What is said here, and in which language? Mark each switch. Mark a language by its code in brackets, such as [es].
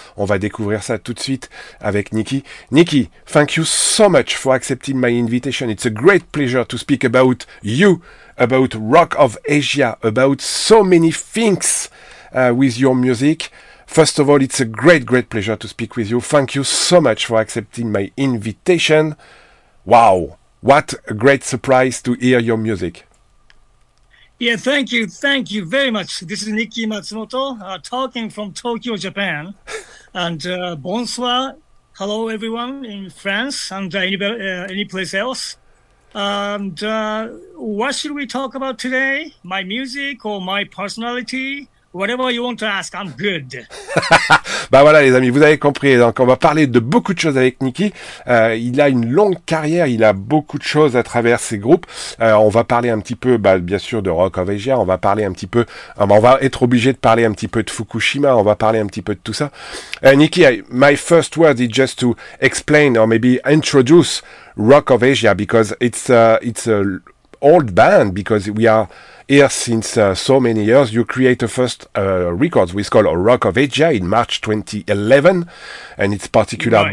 [fr] On va découvrir ça tout de suite avec Niki. [en] Niki, thank you so much for accepting my invitation. It's a great pleasure to speak about you, about Rock of Asia, about so many things with your music. First of all, it's a great pleasure to speak with you. Thank you so much for accepting my invitation. Wow, what a great surprise to hear your music. Yeah, thank you. Thank you very much. This is Niki Matsumoto talking from Tokyo, Japan. And bonsoir. Hello, everyone in France and any place else. And what should we talk about today? My music or my personality? Whatever you want to ask, I'm good. [fr] voilà les amis, vous avez compris. Donc on va parler de beaucoup de choses avec Niki. Il a une longue carrière, il a beaucoup de choses à travers ses groupes. On va parler un petit peu, bien sûr, de Rock of Asia. On va parler un petit peu. On va être obligé de parler un petit peu de Fukushima. On va parler un petit peu de tout ça. [en] Niki, my first word is just to explain or maybe introduce Rock of Asia because it's a old band because we are here since so many years. You create a first record which is called Rock of Asia in March 2011, and it's particular right.